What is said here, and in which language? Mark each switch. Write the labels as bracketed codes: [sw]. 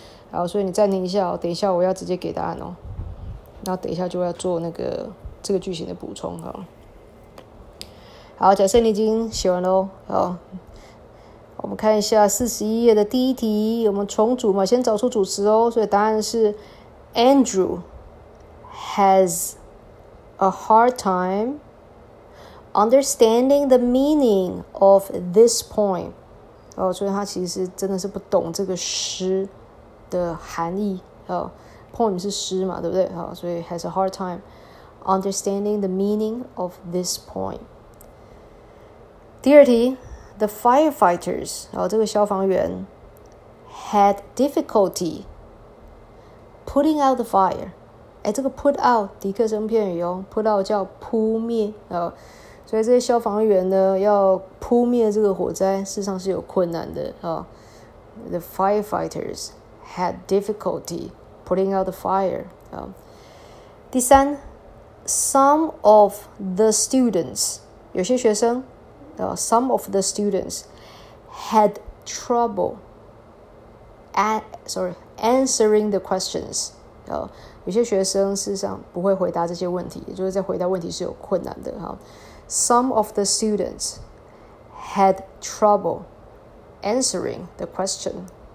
[zh] 好，所以你暂停一下哦，等一下我要直接给答案哦，然后等一下就要做那个这个句型的补充哈。好，假设你已经写完喽，好。我们看一下41页的第一题，我们重组嘛，先找出主词哦。所以答案是 [en] Andrew has a hard time understanding the meaning of this poem。 [zh] 哦，所以他其实真的是不懂这个诗的含义。哦 ，poem 是诗嘛，对不对？哦，所以 [en] has a hard time understanding the meaning of this poem。 [zh] 第二题。 [en] The firefighters, [zh] 这个消防员 [en] had difficulty putting out the fire. [zh] 哎，这个 put out 迪克森片语哦 ，put out 叫扑灭啊，所以这些消防员呢要扑灭这个火灾，事实上是有困难的啊。 [en] The firefighters had difficulty putting out the fire. [zh] 啊，第三 ，some of the students 有些学生。 [en] Some of the students had trouble answering the questions. [zh] 有些学生事实上不会回答这些问题，也就是在回答问题是有困难的。 [en] Some of the students had trouble answering the question.